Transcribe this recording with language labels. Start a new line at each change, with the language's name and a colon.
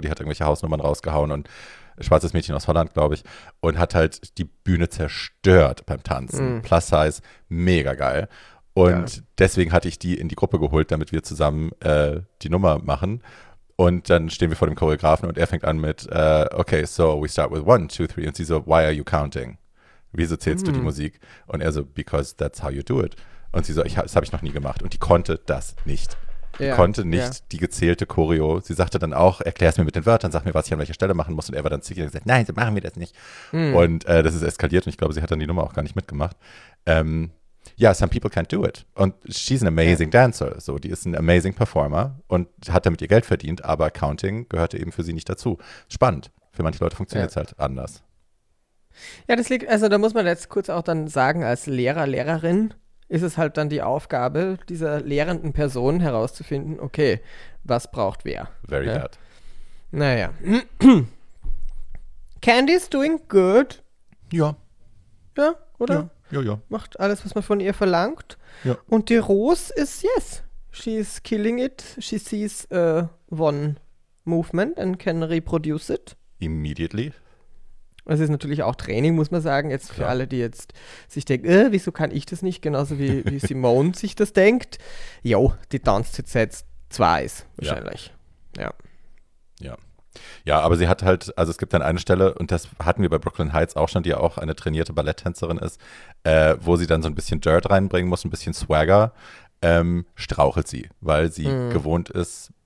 German: Die hat irgendwelche Hausnummern rausgehauen und schwarzes Mädchen aus Holland, glaube ich, und hat halt die Bühne zerstört beim Tanzen. Mm. Plus Size, mega geil. Und deswegen hatte ich die in die Gruppe geholt, damit wir zusammen die Nummer machen. Und dann stehen wir vor dem Choreografen und er fängt an mit, okay,
English: so we start with 1, 2, 3.
German: Und sie so,
English: why are you counting?
German: Wieso zählst du die Musik?
English: Und er so, because that's how you do it.
German: Und sie so, das habe ich noch nie gemacht. Und die konnte das nicht. Die konnte nicht die gezählte Choreo. Sie sagte dann auch, erklär es mir mit den Wörtern, sag mir, was ich an welcher Stelle machen muss. Und er war dann zickig und gesagt, nein, so machen wir das nicht. Mm. Und das ist eskaliert und ich glaube, sie hat dann die Nummer auch gar nicht mitgemacht.
English: Some people can't do it.
German: Und
English: she's an amazing dancer.
German: So, die ist ein amazing performer und hat damit ihr Geld verdient, aber Counting gehörte eben für sie nicht dazu. Spannend. Für manche Leute funktioniert es halt anders. Ja, das liegt, also da muss man jetzt kurz auch dann sagen, als Lehrer, Lehrerin, ist es halt dann die Aufgabe dieser lehrenden Person herauszufinden, okay, was braucht wer?
English: Very bad.
German: Naja.
English: Candy's doing good.
German: Ja. Ja, oder? Ja. Ja. Macht alles, was man von ihr verlangt. Ja. Und die Rose ist,
English: yes, she's killing it. She sees one movement and can reproduce it. Immediately.
German: Das ist natürlich auch Training, muss man sagen. Jetzt für alle, die jetzt sich denken, wieso kann ich das nicht? Genauso wie Simone sich das denkt. Jo, die tanzt jetzt seit 2 wahrscheinlich. Ja. Ja. Ja, aber sie hat halt, also es gibt dann eine Stelle und das hatten wir bei Brooklyn Heights auch schon, die ja auch eine trainierte Balletttänzerin ist, wo sie dann so ein bisschen Dirt reinbringen muss, ein bisschen Swagger, strauchelt sie, weil sie gewohnt ist,